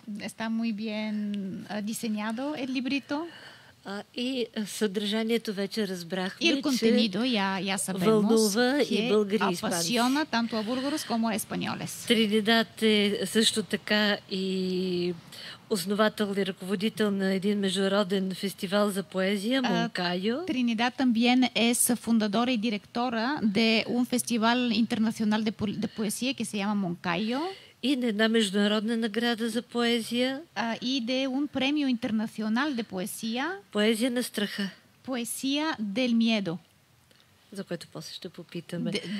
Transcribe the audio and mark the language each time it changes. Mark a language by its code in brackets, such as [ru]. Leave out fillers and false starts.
[es] Está muy bien diseñado el librito. [bg] И съдържанието вече разбрахме, [es] el contenido, че ya sabemos, [bg] вълнува и българи и испанци. [es] Apasiona tanto a búlgaros como a españoles. [bg] Тринидад е също така и основател и ръководител на един международен фестивал за поезия, Монкайо. [es] Тринидад también es fundadora y directora de un festival internacional de poesía que se llama Монкайо. [bg] И на една международна награда за поезия. [es] И de un premio internacional de poesía. [bg] Поезия на страха. [es] Poesía del miedo. [bg] За което после ще попитаме.